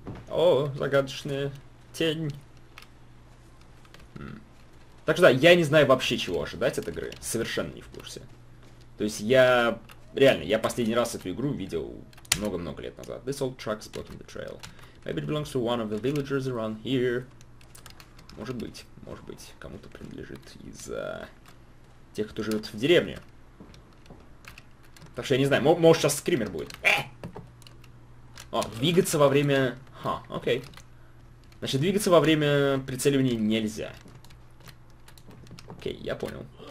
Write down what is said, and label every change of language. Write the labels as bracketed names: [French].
[Russian] О, загадочная тень. Так что да, я не знаю вообще, чего ожидать от игры. Совершенно не в курсе. То есть я... Реально, я последний раз эту игру видел много-много лет назад. [English] This old truck spot on the trail. Maybe it belongs to one of the villagers around here. [Russian] Может быть, кому-то принадлежит из тех, кто живет в деревне. Так что я не знаю, может сейчас скример будет. О, двигаться во время... Ха, окей. Значит, двигаться во время прицеливания нельзя. Окей, я понял.